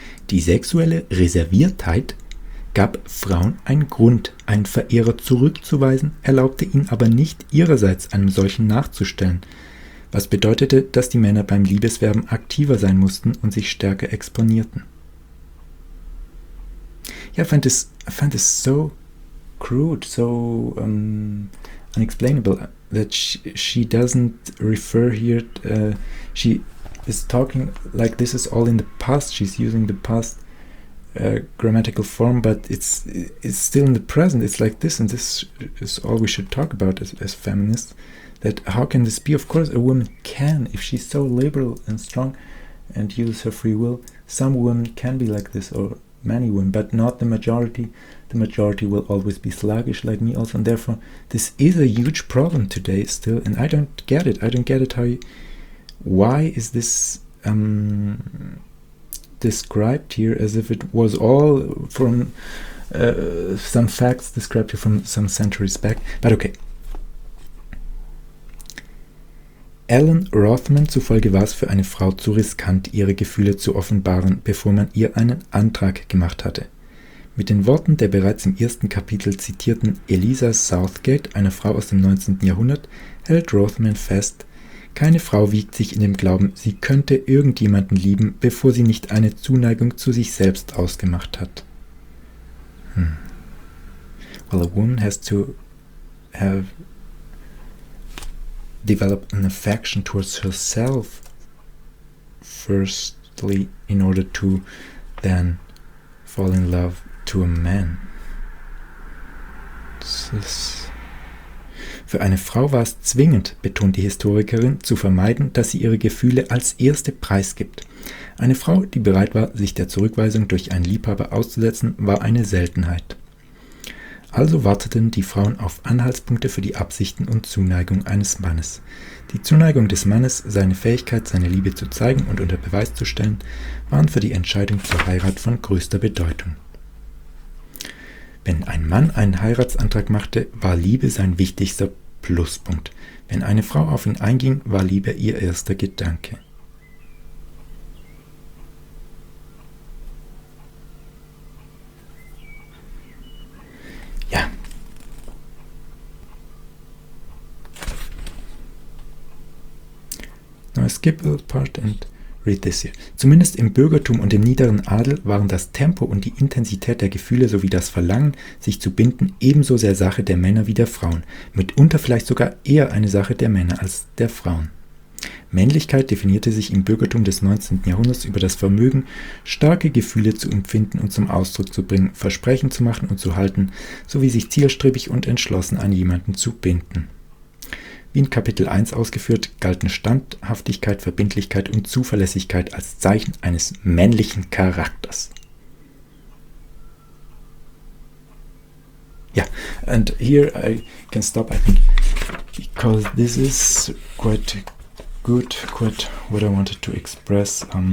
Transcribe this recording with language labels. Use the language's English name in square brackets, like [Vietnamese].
[German] Die sexuelle Reserviertheit gab Frauen einen Grund, einen Verehrer zurückzuweisen, erlaubte ihnen aber nicht, ihrerseits einem solchen nachzustellen, was bedeutete, dass die Männer beim Liebeswerben aktiver sein mussten und sich stärker exponierten. [English] Ja, I find this so crude, so unexplainable that she doesn't refer here. She is talking like this is all in the past. She's using the past grammatical form, but it's still in the present. It's like this, and this is all we should talk about as feminists. That how can this be? Of course, a woman can, if she's so liberal and strong, and uses her free will. Some women can be like this, or many women, but not the majority. The majority will always be sluggish like me also, and therefore this is a huge problem today still, and I don't get it. I don't get it why is this described here as if it was all from some facts described here from some centuries back, but okay. [German] Alan Rothman zufolge war es für eine Frau zu riskant, ihre Gefühle zu offenbaren, bevor man ihr einen Antrag gemacht hatte. Mit den Worten der bereits im ersten Kapitel zitierten Eliza Southgate, einer Frau aus dem 19. Jahrhundert, hält Rothman fest, keine Frau wiegt sich in dem Glauben, sie könnte irgendjemanden lieben, bevor sie nicht eine Zuneigung zu sich selbst ausgemacht hat. [English] Well, a woman has to have develop an affection towards herself firstly in order to then fall in love to a man. [German] Für eine Frau war es zwingend, betont die Historikerin, zu vermeiden, dass sie ihre Gefühle als erste preisgibt. Eine Frau, die bereit war, sich der Zurückweisung durch einen Liebhaber auszusetzen, war eine Seltenheit. Also warteten die Frauen auf Anhaltspunkte für die Absichten und Zuneigung eines Mannes. Die Zuneigung des Mannes, seine Fähigkeit, seine Liebe zu zeigen und unter Beweis zu stellen, waren für die Entscheidung zur Heirat von größter Bedeutung. Wenn ein Mann einen Heiratsantrag machte, war Liebe sein wichtigster Pluspunkt. Wenn eine Frau auf ihn einging, war Liebe ihr erster Gedanke. [English] Skip a part and read this here. [German] Zumindest im Bürgertum und im niederen Adel waren das Tempo und die Intensität der Gefühle sowie das Verlangen, sich zu binden, ebenso sehr Sache der Männer wie der Frauen. Mitunter vielleicht sogar eher eine Sache der Männer als der Frauen. Männlichkeit definierte sich im Bürgertum des 19. Jahrhunderts über das Vermögen, starke Gefühle zu empfinden und zum Ausdruck zu bringen, Versprechen zu machen und zu halten, sowie sich zielstrebig und entschlossen an jemanden zu binden. Wie in Kapitel 1 ausgeführt, galten Standhaftigkeit, Verbindlichkeit und Zuverlässigkeit als Zeichen eines männlichen Charakters. [English] Ja, and here I can stop, I think, because this is quite good, quite what I wanted to express.